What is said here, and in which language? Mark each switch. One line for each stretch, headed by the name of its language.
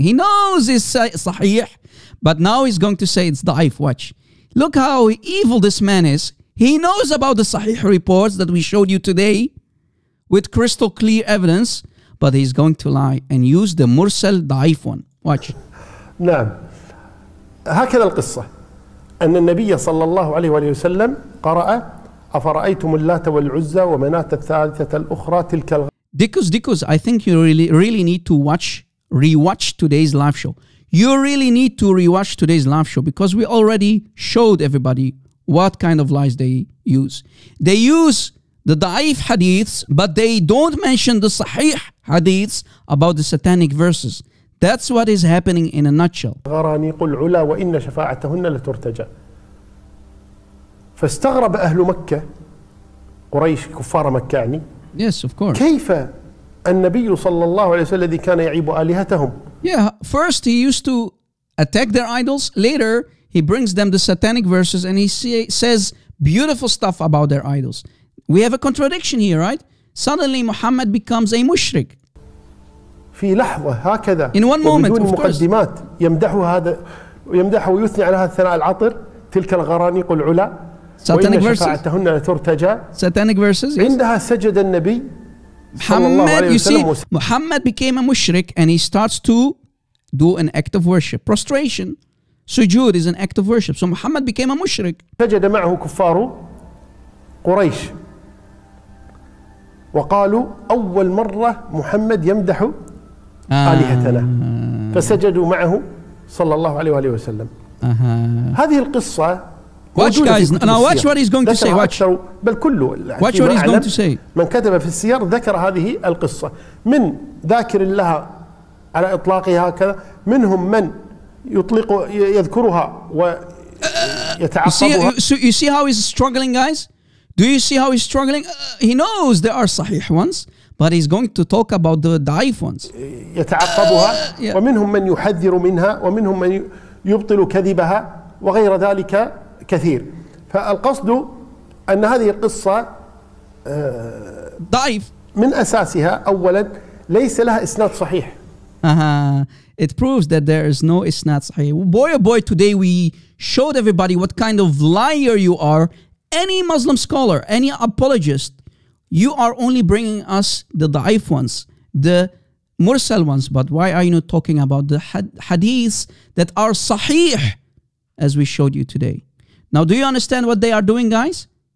English: He knows it's sahih. But now he's going to say it's da'if. Watch. Look how evil this man is. He knows about the sahih reports that we showed you today with crystal clear evidence. But he's going to lie and use the mursal da'if one. Watch. No.
Arabic: هكذا القصة أن النبي صلى الله عليه وآله وسلم قرأ أفرأيتم اللات والعزة ومناة الثالثة الأخرى تلك الغ...
English: Dikus, I think you really need to rewatch today's live show. You really need to rewatch today's live show because we already showed everybody what kind of lies they use. They use the da'if hadiths, but they don't mention the sahih hadiths about the satanic verses. That's what is happening in a nutshell.
Arabic: غرانيق العلا وإن شفاعتهن لترتجى. فاستغرب أهل مكة قريش كفار مكة يعني.
English: Yes, of course.
Arabic: كيف النبي صلى الله عليه وسلم الذي كان يعيب آلهتهم؟
English: Yeah, first he used to attack their idols. Later he brings them the satanic verses and he says beautiful stuff about their idols. We have a contradiction here, right? Suddenly Muhammad becomes a mushrik.
Arabic: في لحظة هكذا
English: in one moment,
Arabic: وبدون مقدمات يمدحه هذا ويمدحه ويثني على هذا الثناء العطر تلك الغرانيق العلا
English: satanic
Arabic: وإن شفاعتهن لترتجى
English: satanic verses, yes.
Arabic: عندها سجد النبي
English: Muhammad, you see, Muhammad became a mushrik and he starts to do an act of worship. Prostration. Sujood is an act of worship. So Muhammad became a mushrik.
Arabic: فجد معه كفار قريش وقالوا أول مرة محمد يمدح آلهتنا فسجدوا معه صلى الله عليه وآله وسلم هذه القصة
English: Watch guys, now watch what he's going to say, watch. Watch what he's going to say.
Arabic: من كتب في السير ذكر هذه القصة من ذاكر لها على إطلاقها كذا منهم من يطلق يذكرها ويتعصبها
English: you see how he's struggling guys? Do you see how he's struggling? He knows there are sahih ones, but he's going to talk about the daif ones.
Arabic: يتعصبها ومنهم من يحذر منها ومنهم من يبطل كذبها وغير ذلك كثير فالقصد أن هذه القصة ضعيف من أساسها أولا ليس لها إسناد صحيح
English: It proves that there is no
Arabic: إسناد صحيح
English: Boy oh boy, today we showed everybody what kind of liar you are Any Muslim scholar, any apologist You are only bringing us the ضعيف ones The مرسل ones But why are you not talking about the hadiths that are صحيح As we showed you today Now, do you understand what they are doing, guys?